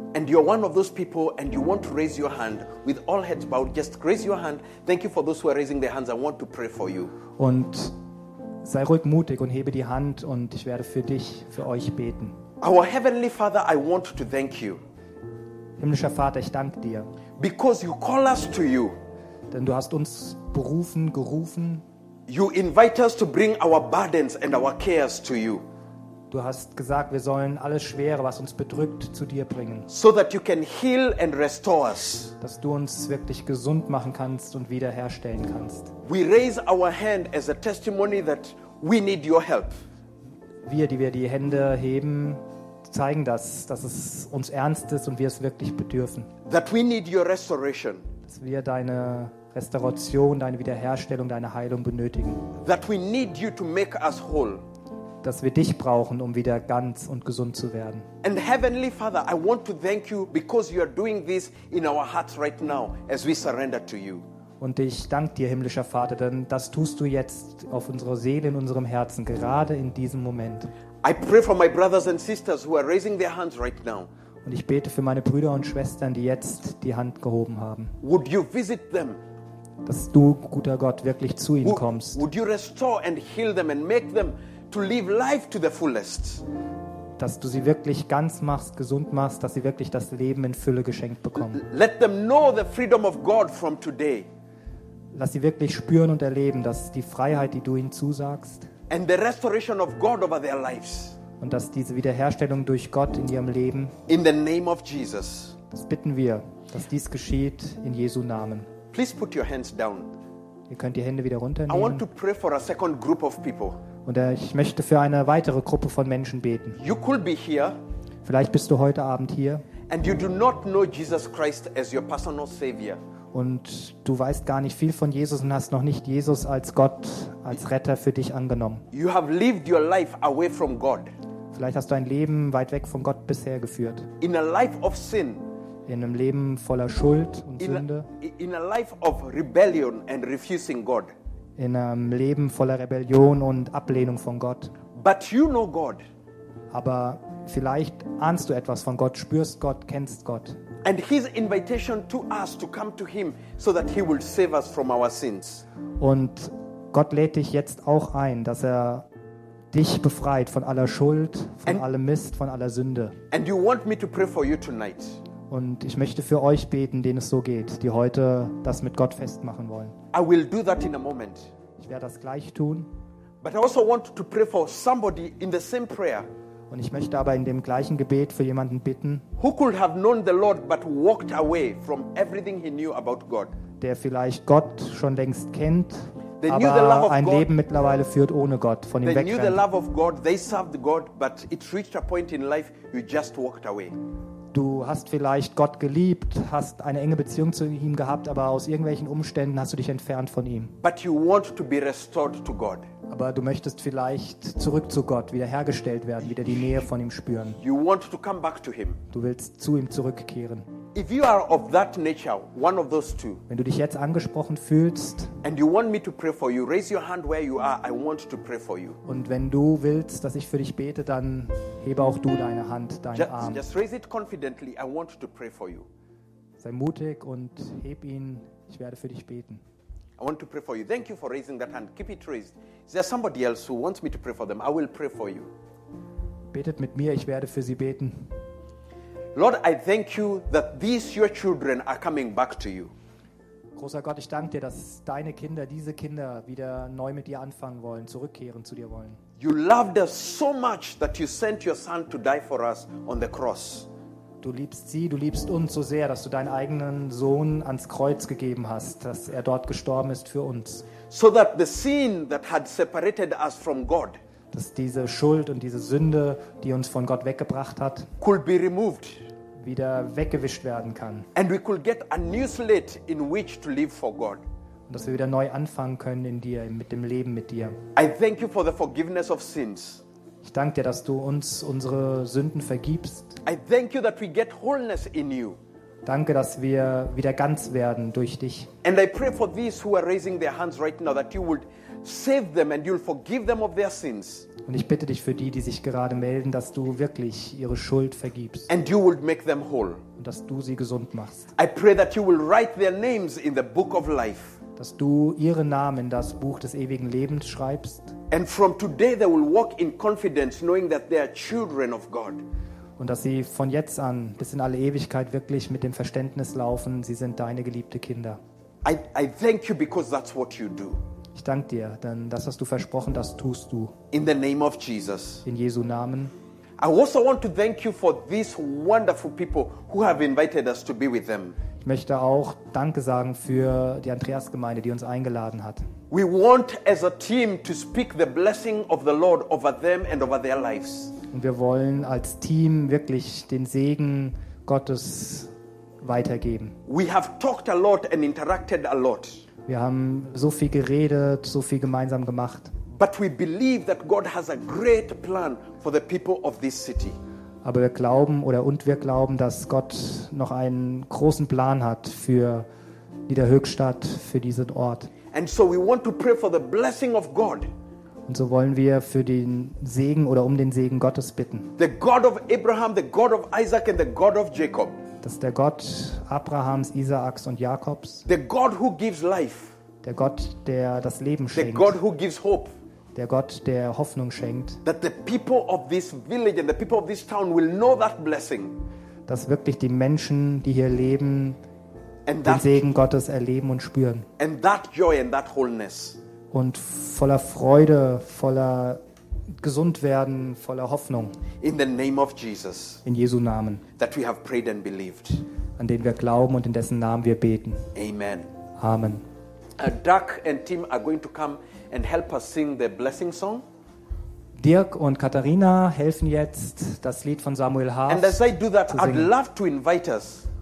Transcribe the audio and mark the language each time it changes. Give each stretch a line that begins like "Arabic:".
English: And you're one of those people and you want to raise your hand with all heads bowed, just raise your hand. Thank you for those who are raising their hands. I want to pray for you.
German: Und sei ruhig mutig und hebe die Hand und ich werde für dich, für euch beten.
English: Our heavenly Father, I want to thank you.
German: Himmlischer Vater, ich danke dir.
English: Because you call us to you.
German: Denn du hast uns berufen, gerufen.
English: You invite us to bring our burdens and our cares to you.
German: Du hast gesagt, wir sollen alles Schwere, was uns bedrückt, zu dir bringen.
English: So that you can heal and restore us.
German: Dass du uns wirklich gesund machen kannst und wiederherstellen kannst.
English: We raise our hand as a testimony that we need your help.
German: Wir, die wir die Hände heben, zeigen das, dass es uns ernst ist und wir es wirklich bedürfen.
English: That we need your restoration.
German: Dass wir deine Restauration, deine Wiederherstellung, deine Heilung benötigen.
English: That we need you to make us whole.
German: Dass wir dich brauchen, um wieder ganz und gesund zu werden.
English: And heavenly Father, I want to thank you because you are doing this in our hearts right now as we surrender to you.
German: Und ich danke dir, himmlischer Vater, denn das tust du jetzt auf unserer Seele, in unserem Herzen, gerade in diesem Moment.
English: I pray for my brothers and sisters who are raising their hands right now.
German: Und ich bete für meine Brüder und Schwestern, die jetzt die Hand gehoben haben.
English: Would you visit them?
German: Dass du, guter Gott, wirklich zu ihnen kommst.
English: Would you restore and heal them and make them to live life to the fullest?
German: Dass du sie wirklich ganz machst, gesund machst, dass sie wirklich das Leben in Fülle geschenkt bekommen.
English: Let them know the freedom of God from today.
German: Lass sie wirklich spüren und erleben, dass die Freiheit, die du ihnen zusagst,
English: and the restoration of God over their lives.
German: Und dass diese Wiederherstellung durch Gott in ihrem Leben,
English: in the name of Jesus.
German: Das bitten wir, dass dies geschieht in Jesu Namen.
English: Please put your hands down.
German: Ihr könnt die Hände wieder runternehmen.
English: I want to pray for a second group of people.
German: Und ich möchte für eine weitere Gruppe von Menschen beten.
English: You could be here.
German: Vielleicht bist du heute Abend hier.
English: And you do not know Jesus Christ as your personal savior.
German: Und du weißt gar nicht viel von Jesus und hast noch nicht Jesus als Gott, als Retter für dich angenommen.
English: You have lived your life away from God.
German: Vielleicht hast du ein Leben weit weg von Gott bisher geführt.
English: In a life of sin.
German: In einem Leben voller Schuld und Sünde.
English: In a life of rebellion and refusing God.
German: In einem Leben voller Rebellion und Ablehnung von Gott.
English: But you know God.
German: Aber vielleicht ahnst du etwas von Gott, spürst Gott, kennst Gott.
English: And his invitation to us to come to him so that he will save us from our sins.
German: Und Gott lädt dich jetzt auch ein, dass er dich befreit von aller Schuld, von allem Mist, von aller Sünde.
English: And you want me to pray for you tonight.
German: Und ich möchte für euch beten, denen es so geht, die heute das mit Gott festmachen wollen.
English: I will do that in a moment.
German: Ich werde das gleich tun.
English: But I also want to pray for somebody in the same prayer.
German: Und ich möchte aber in dem gleichen Gebet für jemanden bitten,
English: who could have known the Lord but walked away from everything he knew about God.
German: Der vielleicht Gott schon längst kennt, aber ein Leben mittlerweile führt ohne Gott, von ihm wegrennt.
English: They knew the love of God, they served God, but it reached a point in life you just walked away.
German: Du hast vielleicht Gott geliebt, hast eine enge Beziehung zu ihm gehabt, aber aus irgendwelchen Umständen hast du dich entfernt von ihm.
English: But you want to be restored to God.
German: Aber du möchtest vielleicht zurück zu Gott, wiederhergestellt werden, wieder die Nähe von ihm spüren.
English: You want to come back to him.
German: Du willst zu ihm zurückkehren.
English: If you are of that nature, one of those two.
German: Wenn du dich jetzt angesprochen fühlst,
English: and you want me to pray for you, raise your hand where you are. I want to pray for you.
German: Und wenn du willst, dass ich für dich bete, dann hebe auch du deine Hand, deinen Arm.
English: Just raise it confidently. I want to pray for you.
German: Sei mutig und heb ihn. Ich werde für dich beten.
English: I want to pray for you. Thank you for raising that hand. Keep it raised. Is there somebody else who wants me to pray for them? I will pray for you.
German: Betet mit mir. Ich werde für sie beten.
English: Lord, I thank you that these your children are coming back to you.
German: Großer Gott, ich danke dir, dass deine Kinder, diese Kinder wieder neu mit dir anfangen wollen, zurückkehren zu dir wollen.
English: You loved us so much that you sent your son to die for us on the cross.
German: Du liebst sie, du liebst uns so sehr, dass du deinen eigenen Sohn ans Kreuz gegeben hast, dass er dort gestorben ist für uns.
English: So that the sin that had separated us from God,
German: dass diese Schuld und diese Sünde, die uns von Gott weggebracht hat,
English: could be removed,
German: wieder weggewischt werden kann.
English: And we could get a new slate in which to live for God.
German: Und dass wir wieder neu anfangen können in dir, mit dem Leben mit dir.
English: I thank you for the forgiveness of sins.
German: Ich danke dir, dass du uns unsere Sünden vergibst.
English: I thank you that we get wholeness in you.
German: Danke, dass wir wieder ganz werden durch dich.
English: And I pray for these who are raising their hands right now that you would save them and you'll forgive them of their sins.
German: Und ich bitte dich für die, die sich gerade melden, dass du wirklich ihre Schuld vergibst.
English: And you will make them whole.
German: Und dass du sie gesund machst.
English: I pray that you will write their names in the book of life.
German: Dass du ihre Namen in das Buch des ewigen Lebens schreibst.
English: And from today they will walk in confidence knowing that they are children of God.
German: Und dass sie von jetzt an bis in alle Ewigkeit wirklich mit dem Verständnis laufen, sie sind deine geliebte Kinder.
English: I thank you because that's what you do.
German: Ich danke dir, denn das hast du versprochen, das tust du.
English: In the name of Jesus.
German: In Jesu Namen.
English: I also want to thank you for these wonderful people who have invited us to be with them.
German: Ich möchte auch Danke sagen für die Andreas-Gemeinde, die uns eingeladen hat.
English: We want as a team to speak the blessing of the Lord over them and over their lives.
German: Und wir wollen als Team wirklich den Segen Gottes weitergeben.
English: We have talked a lot and interacted a lot.
German: Wir haben so viel geredet, so viel gemeinsam gemacht.
English: But we believe that God has a great plan for the people of this city.
German: Aber wir glauben dass Gott noch einen großen Plan hat für Niederhöchstadt, für diesen Ort.
English: And so we want to pray for the blessing of God.
German: Und so wollen wir für den Segen oder um den Segen Gottes bitten.
English: The God of Abraham, the God of Isaac and the God of Jacob.
German: Dass der Gott Abrahams, Isaaks und Jakobs.
English: The God who gives life.
German: Der Gott, der das Leben schenkt.
English: The God who gives hope.
German: Der Gott, der Hoffnung schenkt.
English: That the people of this village and the people of this town will know that blessing.
German: Dass wirklich die Menschen, die hier leben, den Segen Gottes erleben und spüren.
English: And that joy and that wholeness.
German: Und voller Freude, voller Gesundwerden, voller Hoffnung.
English: In the name of Jesus.
German: In Jesu Namen.
English: That we have prayed and believed.
German: An den wir glauben und in dessen Namen wir beten.
English: Amen.
German: Amen.
English: Dirk and Tim are going to come and help us sing the blessing song.
German: Dirk und Katharina helfen jetzt, das Lied von Samuel Haas zu singen.
English: And as I do that, I'd love to invite us.